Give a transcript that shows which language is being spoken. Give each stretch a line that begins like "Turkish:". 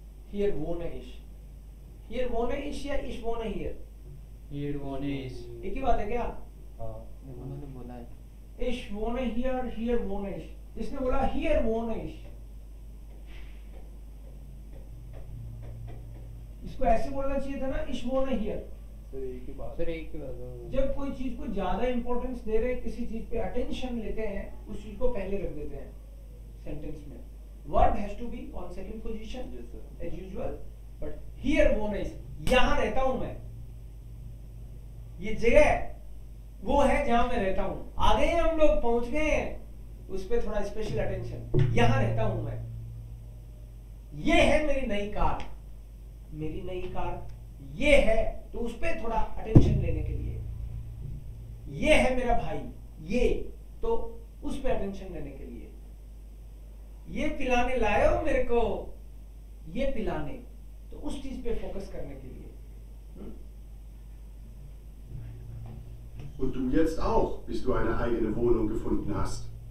German: Hier wohne ich. Ya ich wohne hier? Hier wohne ich.
Hindi: Ek hi baat hai kya? Haan, unhone bola hai.
German: Ich wohne hier, hier wohne ich.
Hindi: Isne bola
German: hier wohne ich.
Hindi: Isko aise bolna chahiye tha na,
German: ich wohne hier.
Hindi: जब कोई चीज को ज्यादा importance दे रहे, किसी चीज pay attention लेते हैं, उस चीज को पहले रख देते हैं सेंटेंस में.
English: Verb has to be on second position as usual. But here one is,
Hindi: यहां रहता हूं मैं. ये जगह वो है जहां मैं रहता हूं. आ गए हम लोग, पहुंच गए हैं, उस पर थोड़ा स्पेशल अटेंशन. यहां रहता हूं मैं. ये है मेरी नई कार. मेरी नई कार ये है, तो उस पर थोड़ा अटेंशन लेने के लिए. ये है मेरा भाई, ये, तो उस पर अटेंशन लेने के लिए. ये पिलाने लाए हो मेरे को, ये पिलाने, तो उस चीज पे फोकस करने के लिए.
German: Und du jetzt auch, bis du eine eigene Wohnung gefunden hast.